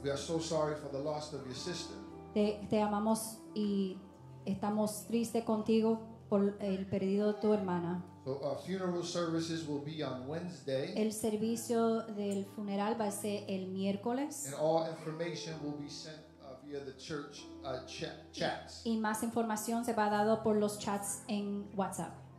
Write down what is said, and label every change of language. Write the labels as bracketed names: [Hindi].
[English] We are so sorry for the loss of your sister. [Spanish] Te amamos y estamos tristes contigo por el perdido de tu hermana. [English] So our funeral services will be on Wednesday. [Spanish] El servicio del funeral va a ser el miércoles. [English] And all information will be sent via the church chats. [Spanish] Y más información se va a dar por los chats en WhatsApp.